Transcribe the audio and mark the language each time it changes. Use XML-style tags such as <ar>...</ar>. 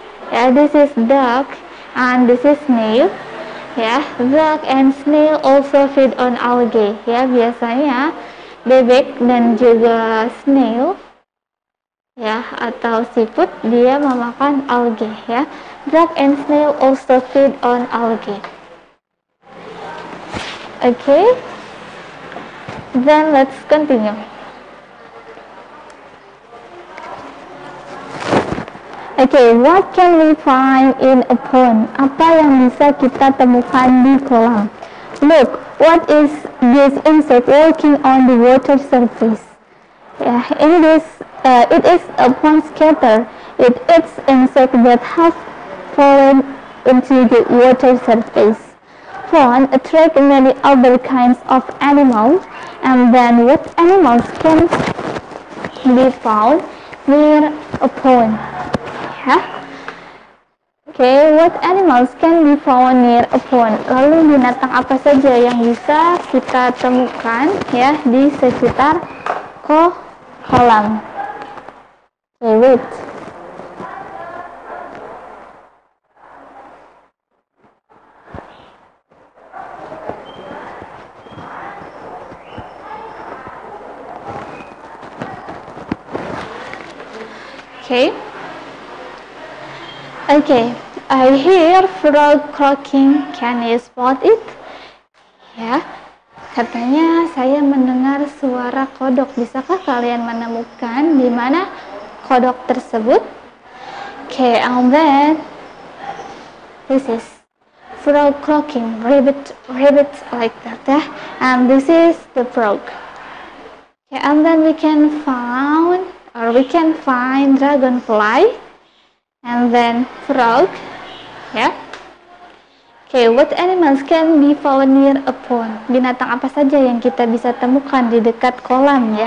<en>Yeah, this is duck and this is snail. Yeah, duck and snail also feed on algae.</en> <id>Yeah, biasanya bebek dan juga snail. Yeah, atau siput dia memakan algae.</id> <en>Yeah, duck and snail also feed on algae. Okay. Then let's continue. Okay, what can we find in a pond?</en> <id>Apa yang bisa kita temukan di kolam?</id> <en>Look, what is this insect walking on the water surface? Yeah, in this, it is a pond skater. It eats insect that has fallen into the water surface. Pond attract many other kinds of animals. And then what animals can be found near a pond? Okay, what animals can be found near a pond?</en> <id>Lalu binatang apa saja yang bisa kita temukan ya di sekitar kolam?</id> <en>Okay, wait. Okay. Okay, I hear frog croaking. Can you spot it? Yeah.</en> <id>Katanya saya mendengar suara kodok. Bisakah kalian menemukan di mana kodok tersebut?</id> <en>Okay, I'll bet. This is frog croaking, ribbit, ribbit, like that, yeah? And this is the frog. Okay, and then we can find dragonfly, and then frog, yeah? Okay, what animals can be found near a pond?</en> <id>Binatang apa saja yang kita bisa temukan di dekat kolam, ya?</id>